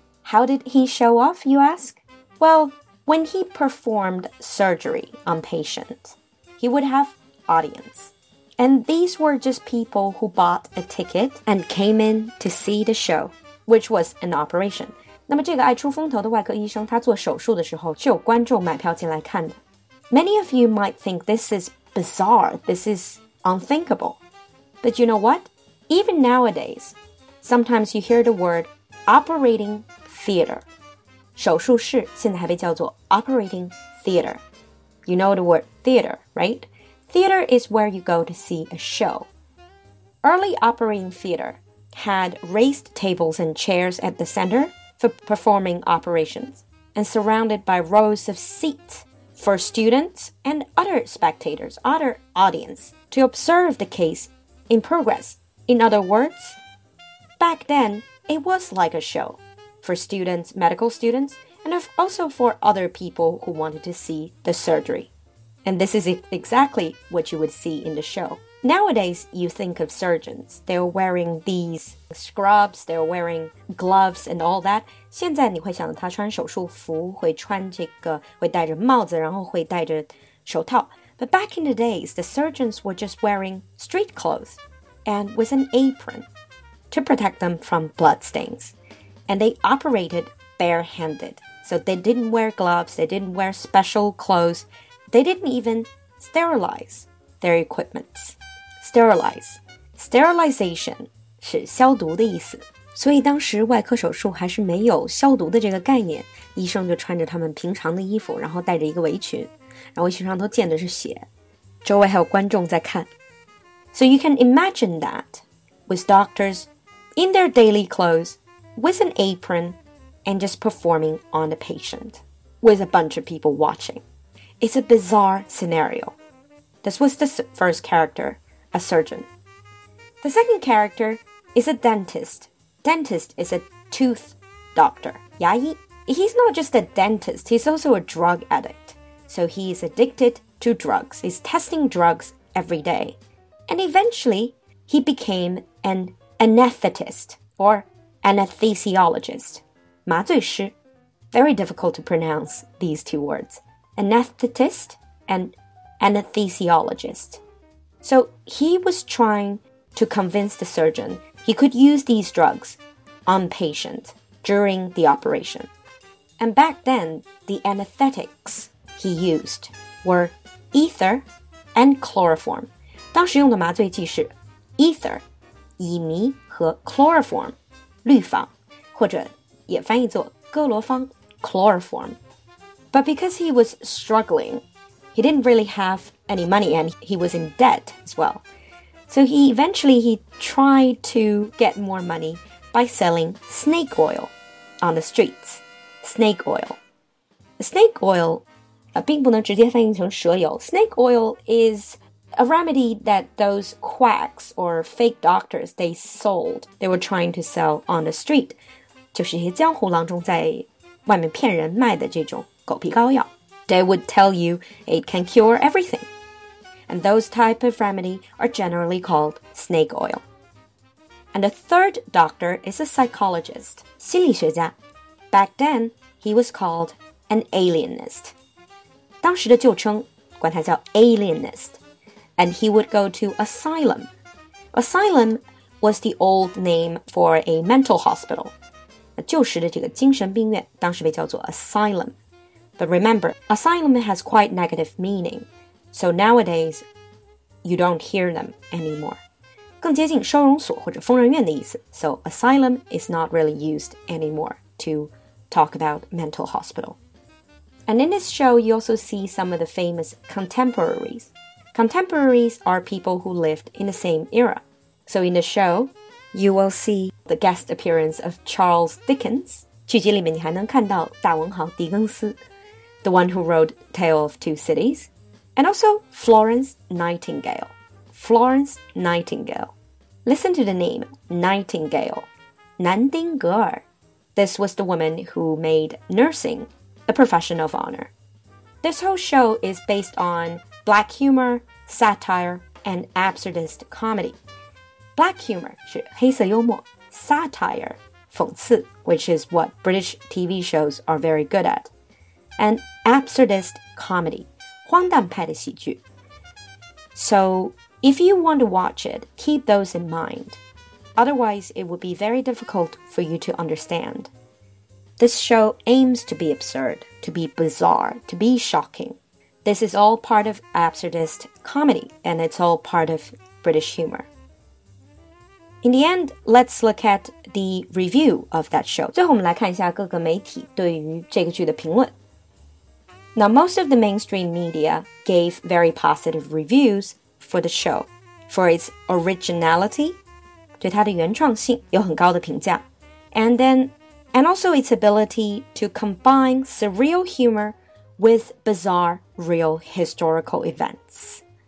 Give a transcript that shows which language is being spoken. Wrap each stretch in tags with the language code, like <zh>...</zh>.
<en>How did he show off, you ask? Well,When he performed surgery on patients, he would have audience. And these were just people who bought a ticket and came in to see the show, which was an operation.</en> <zh>那么这个爱出风头的外科医生，他做手术的时候，就有观众买票进来看的。</zh> <en>Many of you might think this is bizarre, this is unthinkable. But you know what? Even nowadays, sometimes you hear the word operating theater.</en> <zh>手术室现在还被叫做 operating theater.</zh> <en>You know the word theater, right? Theater is where you go to see a show. Early operating theater had raised tables and chairs at the center for performing operations and surrounded by rows of seats for students and other spectators, other audience, to observe the case in progress. In other words, back then, it was like a show. For students, medical students, and also for other people who wanted to see the surgery. And this is exactly what you would see in the show. Nowadays, you think of surgeons. They're wearing these scrubs, they're wearing gloves and all that.</en> <zh>现在你会想到他穿手术服，会穿这个，会戴着帽子，然后会戴着手套。</zh> <en>But back in the days, the surgeons were just wearing street clothes and with an apron to protect them from bloodstains. And they operated barehanded. So they didn't wear gloves, they didn't wear special clothes, they didn't even sterilize their equipment. Sterilize. Sterilization</en> <zh>是消毒的意思。所以当时外科手术还是没有消毒的这个概念，医生就穿着他们平常的衣服，然后戴着一个围裙，然后围裙上都溅的是血，周围还有观众在看。</zh> <en>So you can imagine that with doctors in their daily clothes, with an apron, and just performing on the patient, with a bunch of people watching. It's a bizarre scenario. This was the first character, a surgeon. The second character is a dentist. Dentist is a tooth doctor.</en> <zh>牙医</zh> <en>He's not just a dentist, he's also a drug addict. So he is addicted to drugs. He's testing drugs every day. And eventually, he became an anesthetist, or anesthesiologist.</en> <zh>麻醉师</zh> <en>Very difficult to pronounce these two words. Anesthetist and anesthesiologist. So he was trying to convince the surgeon he could use these drugs on patients during the operation. And back then, the anesthetics he used were ether and chloroform.</en> <zh>当时用的麻醉剂是 ether, 乙醚和 chloroform, 氯仿或者也翻译作哥罗芳</zh> <en>chloroform. But because he was struggling, he didn't really have any money and he was in debt as well. So he eventually tried to get more money by selling snake oil on the streets. Snake oil. Snake oil,</en> <zh>并不能直接翻译成蛇油。</zh> <en>Snake oil is a remedy that those quacks or fake doctors, they were trying to sell on the street.</en> <zh>就是一些江湖郎中在外面骗人卖的这种狗皮膏药。</zh> <en>They would tell you it can cure everything. And those type of remedy are generally called snake oil. And the third doctor is a psychologist.</en> <zh>心理学家。</zh> <en>Back then, he was called an alienist.</en> <zh>当时的旧称管他叫 alienist.</zh> <en>And he would go to asylum. Asylum was the old name for a mental hospital.</en> <zh>就是的这个精神病院当时被叫做 asylum.</zh> <en>But remember, asylum has quite negative meaning. So nowadays, you don't hear them anymore.</en> <zh>更接近收容所或者疯人院的意思。</zh> <en>So asylum is not really used anymore to talk about mental hospital. And in this show, you also see some of the famous contemporaries. Contemporaries are people who lived in the same era. So in the show,You will see the guest appearance of Charles Dickens.</en> <zh>剧集里面你还能看到大文豪狄更斯</zh> <en>The one who wrote Tale of Two Cities. And also Florence Nightingale. Florence Nightingale. Listen to the name, Nightingale.</en> <zh>南丁格尔</zh> <en>This was the woman who made nursing a profession of honor. This whole show is based on black humor, satire, and absurdist comedy. Black humor</en> <zh>是黑色幽默</zh> <en>Satire 讽刺 Which is what British TV shows are very good at And absurdist comedy</en> <zh>荒诞派的喜剧</zh> <en>So if you want to watch it, keep those in mind Otherwise it would be very difficult for you to understand This show aims to be absurd, to be bizarre, to be shocking This is all part of absurdist comedy And it's all part of British humorIn the end, let's look at the review of that show.</en> <zh>最后我们来看一下各个媒体对于这个剧的评论。</zh> <en>Now, most of the mainstream media gave very positive reviews for the show, for its originality,</en> <zh>对它的原创性有很高的评价。</zh> <en>And also its ability to combine surreal humor with bizarre real historical events.</en>